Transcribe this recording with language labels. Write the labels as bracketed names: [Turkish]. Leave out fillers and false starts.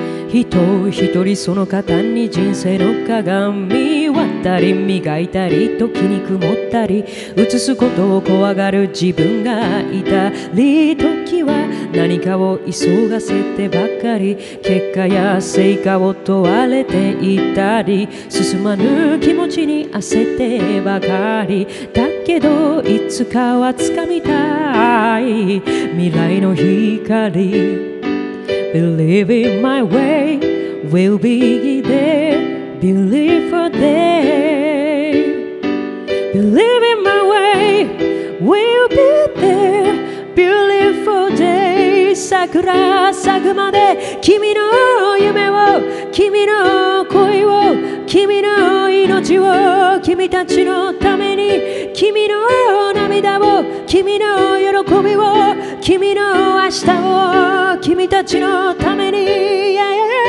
[Japanese] 人一人その方に人生の鏡割ったり磨いたり時に曇ったり、映すことを怖がる自分がいたり、時は何かを急がせてばかり結果や成果を問われていたり、進まぬ気持ちに焦ってばかりだけど、いつかは掴みたい未来の光。 [English] Believe in my way, we'll be there. Believe for day. Believe in my way, we'll be there. Believe for day. [Japanese] 桜咲くまで君の夢を、君の恋を、君の命を、君たちのために、君の涙を、君の喜びを、君の明日を、君たちのために、yeah, yeah.